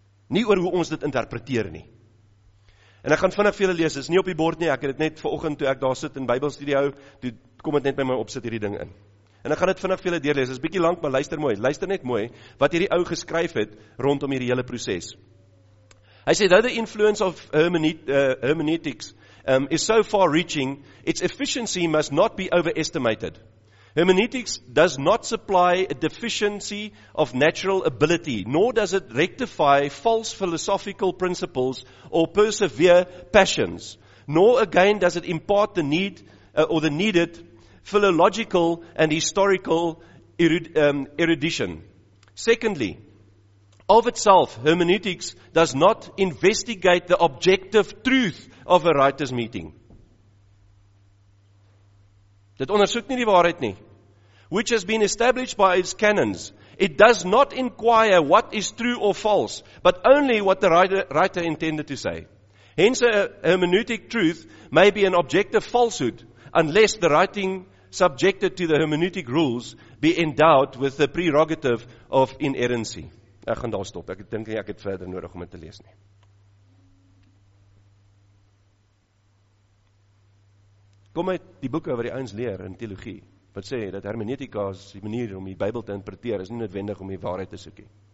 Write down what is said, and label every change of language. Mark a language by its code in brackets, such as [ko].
[af] Nie oor hoe ons dit interpreteer nie. En ek gaan vinnig vir julle lees, is nie op die bord nie, ek het dit net vanoggend toe ek daar sit in Bybelstudie hou, toe kom het net by my opsit hierdie ding in. En ek gaan dit vinnig vir julle deurlees, is bietjie lang, maar luister mooi, luister net mooi, wat hierdie ou geskryf het, rondom hierdie hele proces. Hy sê, [en] though the influence of hermeneutics is so far reaching, its efficiency must not be overestimated. Hermeneutics does not supply a deficiency of natural ability, nor does it rectify false philosophical principles or persevere passions, nor again does it impart the need or the needed philological and historical erudition. Secondly, of itself, hermeneutics does not investigate the objective truth of a writer's meeting. [af] Dit ondersoek nie die waarheid nie. [en] Which has been established by its canons. It does not inquire what is true or false, but only what the writer intended to say. Hence, a hermeneutic truth may be an objective falsehood, unless the writing subjected to the hermeneutic rules be endowed with the prerogative of inerrancy. [af] Ek gaan daar stop. Ek dink nie ek het verder nodig om dit te lees nie. Kom uit die boeke wat die ouens leer in teologie, wat sê dat hermeneutika is die manier om die Bybel te interpreteer, is nie noodwendig om die waarheid te soek nie.